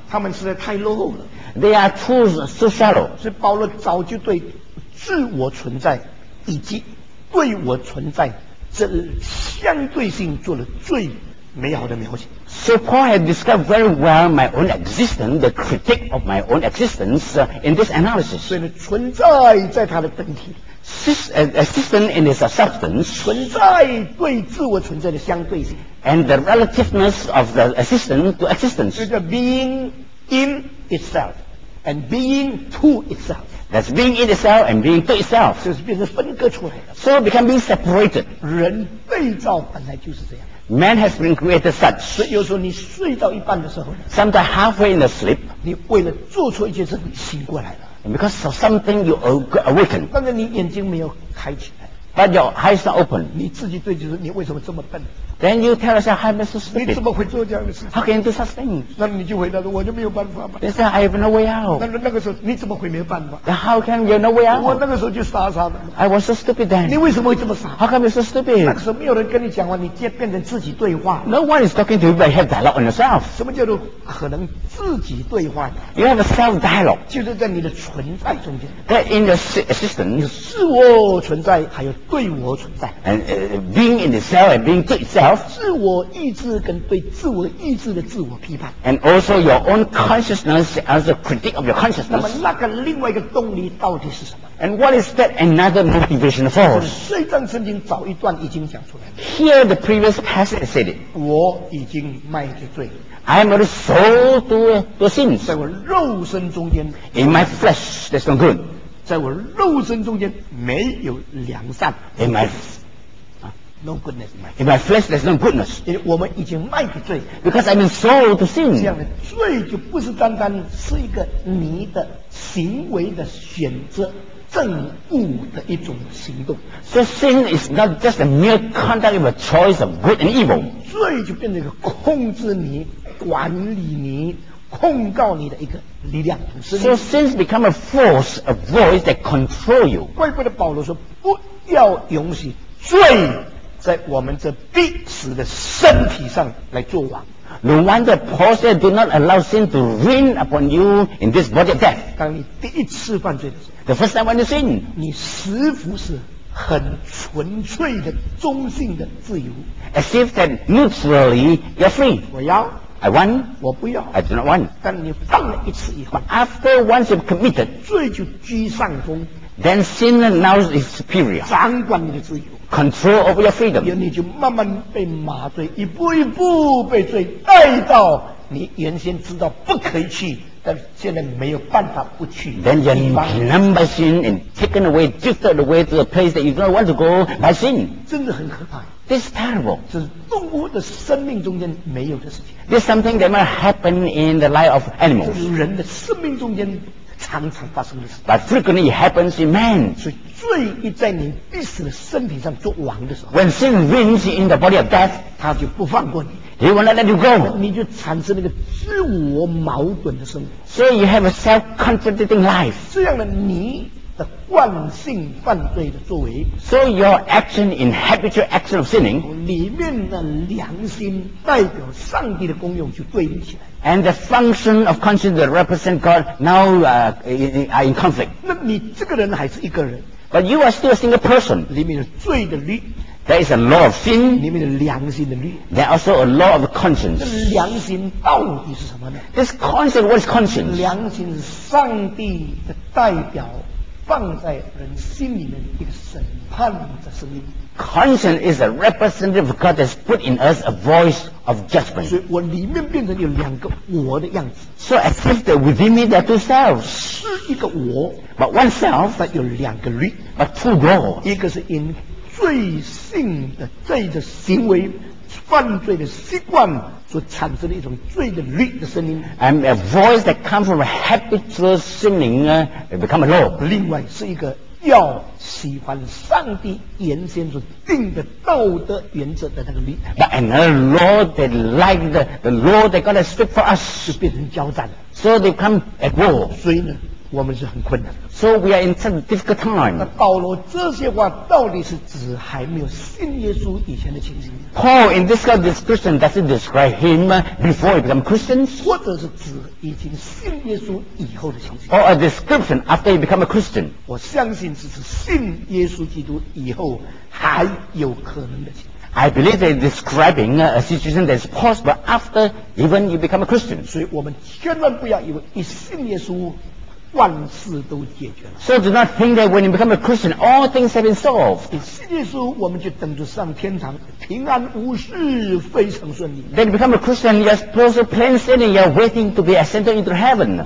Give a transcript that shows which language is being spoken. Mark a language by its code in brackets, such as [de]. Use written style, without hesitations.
[zh] 他们实在太落后了， [en] they are too shallow. [zh] 所以保罗早就对自我存在以及对我存在这相对性做了最美好的描写。 [en] So Paul had described very well my own existence, the critique of my own existence in this analysis. [zh] 所以存在在他的本体， [en] existence in his substance, [zh] 存在对自我存在的相对性， [en] and the relativeness of the existence to existence. [zh] 就是 [en] being in itself and being to itself. That's being in itself and being to itself. [zh] 就是变成分割出来的。 [en] So it becomes being separated. [zh] 人被造本来就是这样。 [en] Man has been created such. [zh] 所以有时候你睡到一半的时候， [en] sometimes halfway in the sleep, [zh] 你为了做错一件事你醒过来了。 [en] And because of something you awaken. [zh] 但是你眼睛没有开起来。 [en] But your eyes are open. [zh] 你自己对就是你为什么这么笨。 [en] Then you tell yourself, how am I so stupid? [zh] 你怎么会做这样的事情？ [en] How can you do such things? [zh] 那你就回答说，我就没有办法嘛。 [en] They say, I have no way out. [zh] 那那个时候你怎么会没有办法？ [en] Then how can you have no way out? [zh] 我那个时候就傻傻的。 [en] I was so stupid then. [zh] 你为什么会这么傻？ [en] How come you're so stupid? [zh] 那个时候没有人跟你讲话，你就变成自己对话。 [en] No one is talking to you, but you have dialogue on yourself. [zh] 什么叫做可能自己对话？ [en] You have a self-dialogue. [zh] 就是在你的存在中间。 [en] That in your existence. [zh] 有自我存在，还有对我存在。 [en] And being in itself and being to itself. yourself, [zh] 自我意志跟对自我意志的自我批判， [en] and also your own consciousness as a critique of your consciousness. [zh] 那么那个另外一个动力到底是什么？ [en] And what is that another motivation force? [zh] 这段圣经早一段已经讲出来了。 [en] Here the previous passage said it. [zh] 我已经卖给罪。 [en] I am already sold to sins. [zh] 在我肉身中间。 [en] In my flesh, that's not good. [zh] 在我肉身中间没有良善。 [en] In my No goodness. In my flesh, there's no goodness. [zh] 我们已经卖给罪。 [en] Because I'm sold to sin. [zh] 这样的罪就不是单单是一个你的行为的选择，正悟的一种行动。 [en] So sin is not just a mere conduct of a choice of good and evil. [zh] 罪就变成一个控制你、管理你、控告你的一个力量。 [en] So sin become a force, a voice that control you. [zh] 怪不得保罗说，不要允许罪在我们这必死的身体上来作王。 [en] No wonder Paul said, "Do not allow sin to reign upon you in this body of death." [zh] 当你第一次犯罪的时候 [en] ，the first time when you sin, [zh] 你似乎是很纯粹的中性的自由 [en] ，as if that neutrally you're free. [zh] 我要 [en] ，I want. [zh] 我不要 [en] ，I do not want. [zh] 但你犯了一次以后 [en] ，but after once you've committed, [zh] 罪就居上风。 [en] Then sin now is superior. [zh] 掌管你的自由。 [en] Control over your freedom. [zh] 你就慢慢被麻醉，一步一步被罪带到你原先知道不可以去，但现在没有办法不去。 [en] Then you're numbed by sin and taken away, drifted away to a place that you don't want to go by sin. [zh] 真的很可怕。 [en] This is terrible. [zh] 这是动物的生命中间没有的事情。 [en] This is something that might happen in the life of animals. [zh] 这是人的生命中间常常发生的事。 [en] But frequently happens in man. [zh] 罪一在你必死的身体上做王的时候 [en] ，When sin reigns in the body of death， [zh] 他就不放过你 [en] ，He will not let you go。 [zh] 你就产生那个自我矛盾的生活 [en] ，So you have a self-contradicting life。 [zh] 这样的你的惯性犯罪的作为 [en] ，So your action in habitual action of sinning， [zh] 里面的良心代表上帝的功用就对立起来。 [en] And the function of conscience that represent God now are in conflict。 [zh] 那你这个人还是一个人。 [en] But you are still a single person. [zh] 里面有罪的律。 [en] There is a law of sin. [zh] 里面有良心的律。 [en] There also a law of conscience. [zh] 那良心到底是什么呢？ [en] This conscience, what is conscience? [zh] 良心是上帝的代表，放在人心里面一个审判的声音。 [en] Conscience is a representative of God that's put in us a voice of judgment. [zh] 所以我里面变成有两个我的样子。 [en] So as if that within me there are two selves. [zh] 是一个我。 [en] But oneself, but [zh] 有两个律。 [en] But two laws. [zh] 一个是因罪性的罪的行为犯罪的习惯所产生的一种罪的律的声音。 [en] And a voice that comes from a habitual sinning, become a law. [zh] 另外是一个要喜欢上帝原先所定的道德原则的那个律。 [en] But another law that like the law that God has set for us. [zh] 就变成交战了。 [en] So they come at war. [zh] 所以呢我们是很困难。 [en] So we are in such a difficult time. [zh] 那保罗这些话到底是指还没有信耶稣以前的情形？ [en] Paul in this kind of description does it describe him before he became Christians? [zh] 或者是指已经信耶稣以后的情形？ [en] Or a description after he became a Christian? [zh] 我相信只是信耶稣基督以后还有可能的情形。 [en] I believe they're describing a situation that's possible after even you become a Christian. [zh] 所以我们千万不要以为一信耶稣万事都解决了。 [en] So do not think that when you become a Christian, all things have been solved. [zh] 你信耶稣，我们就等着上天堂，平安无事，非常顺利。 [en] Then you become a Christian, you're supposed to plan sinning, you're waiting to be ascended into heaven.